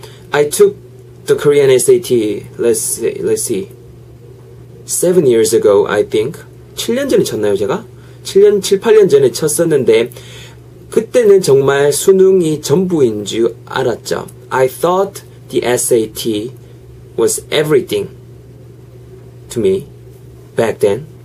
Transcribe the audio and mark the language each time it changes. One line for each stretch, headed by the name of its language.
English: I took the Korean SAT, let's see, 7 years ago, I think.
Korean: 7년 전에 쳤나요, 제가? 7, 8년 전에 쳤었는데, 그때는 정말 수능이 전부인 줄 알았죠.
English: I thought the SAT was everything to me back then.